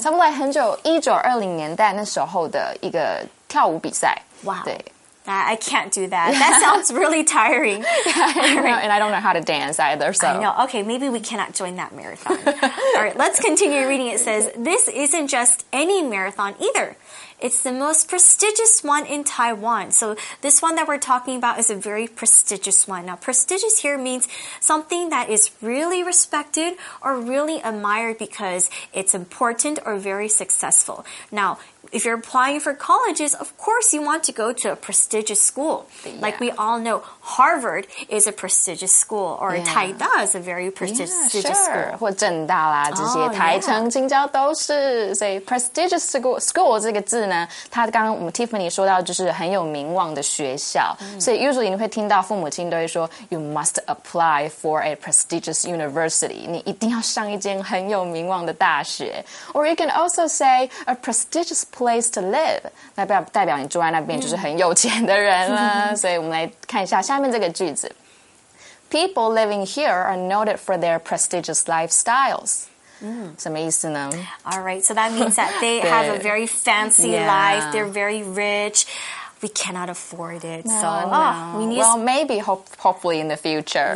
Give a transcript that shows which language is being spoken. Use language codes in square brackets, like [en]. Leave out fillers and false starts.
[zh] 差不多来很久，1920年代那时候的一个跳舞比赛。 [en] Wow. [zh] 对。 [en] I can't do that. That sounds really tiring. Yeah, and I don't know how to dance either, so. I know. Okay, maybe we cannot join that marathon. All right, let's continue reading. It says, this isn't just any marathon either. It's the most prestigious one in Taiwan. So this one that we're talking about is a very prestigious one. Now, prestigious here means something that is really respected or really admired because it's important or very successful. Now, if you're applying for colleges, of course you want to go to a prestigious school. Yeah. Like we all know, Harvard is a prestigious school, or yeah. 台大 is a very prestigious yeah, sure. school. [zh] 或政大啦这些、oh, 台城、yeah. 清交都是。所以 prestigious school 这个字呢，它刚刚我们 Tiffany 说到就是很有名望的学校。Mm. 所以 [en] usually [zh] 你会听到父母亲都会说 [en] you must apply for a prestigious university. [zh] 你一定要上一间很有名望的大学。 [en] Or you can also say a prestigious place to live. [zh] 那代表你住在那边就是很有钱的人啦。所以我们来看一下下面这个句子。 [en] People living here are noted for their prestigious lifestyles. [zh] Mm. 什么意思呢 [en] All right, so that means that they have a very fancy、yeah. life. They're very rich. We cannot afford it. No, so, no. Oh, we need well, maybe hopefully in the future.